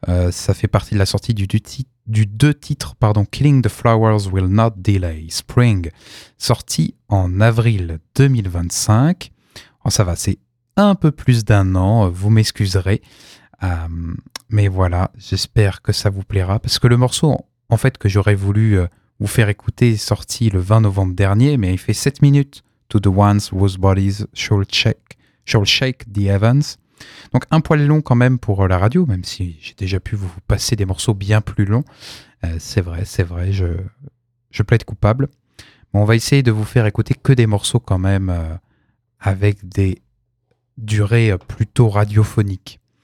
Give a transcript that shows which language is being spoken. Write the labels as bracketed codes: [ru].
[fr] Ça fait partie de la sortie du deux titres, Killing the Flowers Will Not Delay Spring, sorti en avril 2025. Oh, ça va, c'est un peu plus d'un an, vous m'excuserez. Mais voilà, j'espère que ça vous plaira. Parce que le morceau, en fait, que j'aurais voulu vous faire écouter, est sorti le 20 novembre dernier, mais il fait 7 minutes. [en] To the ones whose bodies shall shake the heavens. [fr] Donc un poil long quand même pour la radio, même si j'ai déjà pu vous passer des morceaux bien plus longs. C'est vrai, je plaide coupable. Bon, on va essayer de vous faire écouter que des morceaux quand même avec des durée plutôt radiophonique.